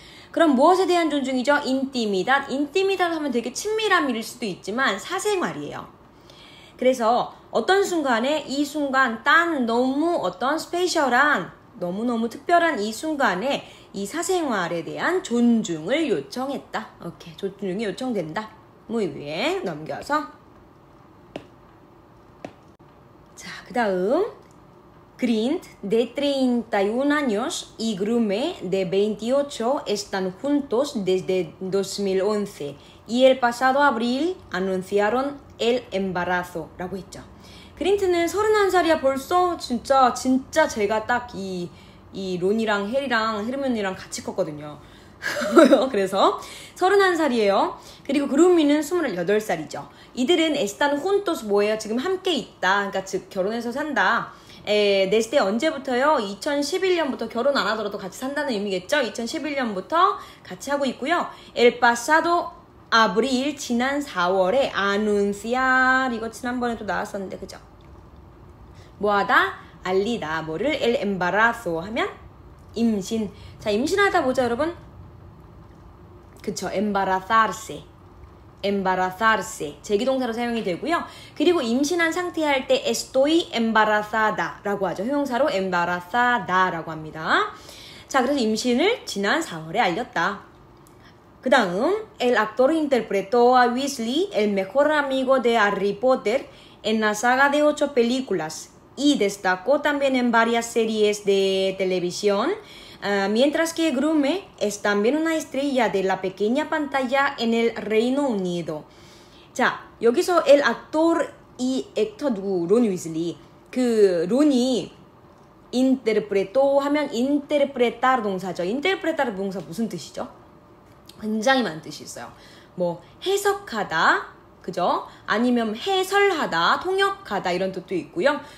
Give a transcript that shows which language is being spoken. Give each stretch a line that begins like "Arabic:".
Korean: 그럼 무엇에 대한 존중이죠? 인티미닷. 인티미닷 하면 되게 친밀함일 수도 있지만 사생활이에요. 그래서 어떤 순간에 이 순간 딴 너무 어떤 스페셜한 너무너무 특별한 이 순간에 이 사생활에 대한 존중을 요청했다. 오케이, 존중이 요청된다. 뭐 위에 넘겨서.
Spanish: 자, 그 다음 Grint de 31 años y Grume de 28 están juntos desde 2011 y el pasado abril anunciaron el embarazo
Korean: 라고 했죠. 그린트는 31살이야 벌써? 진짜 진짜 제가 딱 이 론이랑 해리랑 헤르미온이랑 같이 컸거든요. 그래서 31살이에요. 그리고 그루미는 28살이죠. 이들은 에스탄 혼토스 뭐예요? 지금 함께 있다. 그러니까 즉 결혼해서 산다. 네스테 언제부터요? 2011년부터 결혼 안 하더라도 같이 산다는 의미겠죠? 2011년부터 같이 하고 있고요.
Spanish: El pasado abril
Korean: 지난 4월에 anunciar 이거 지난번에도 나왔었는데 그죠? 뭐하다? 알리다. 뭐를 el embarazo 하면 임신. 자, 임신하다 보자 여러분. 그쵸, embarazarse. embarazarse 제기동사로 사용이 되고요. 그리고 임신한 상태할 때
Spanish: estoy embarazada
Korean: 라고 하죠. 형용사로 embarazada 라고 합니다. 자, 그래서 임신을 지난 4월에 알렸다.
Spanish: 그 다음 el actor interpretó a Weasley, el mejor amigo de Harry Potter en la saga de 8 películas y destacó también en varias series de televisión. Mientras que Grume es también una estrella de la pequeña pantalla en el Reino Unido.
Korean: 자, 여기서
Spanish: el actor y actor
Korean: 누구? Ron Weasley. 그 Ron이 interpretó 하면 interpretar 동사죠. interpretar 동사 무슨 뜻이죠? 굉장히 많은 뜻이 있어요. 뭐 해석하다, 그죠? 아니면 해설하다, 통역하다 이런 뜻도 있고요.